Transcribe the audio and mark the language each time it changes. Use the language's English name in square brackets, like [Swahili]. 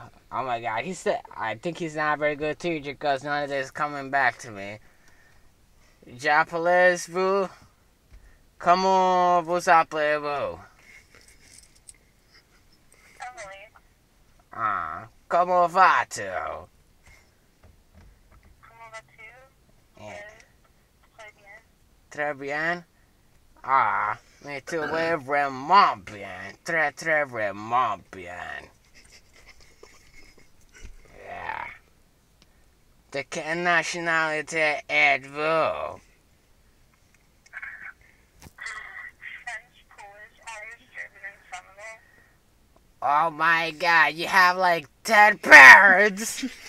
[English] Oh my god, he said, I think he's not a very good teacher because none of this is coming back to me. [French] J'appelez vous? Comment vous appelez vous? [English] Emily. [French] Comment vas-tu? Comment vas-tu? [English] Yeah. [French] Très bien. Très bien? [English] Me too, we're [French] vraiment bien. Très, très vraiment bien. De quelle nationalité êtes-vous? [English] French, Polish, Irish, German, Seminole. Oh my god, you have like 10 parents!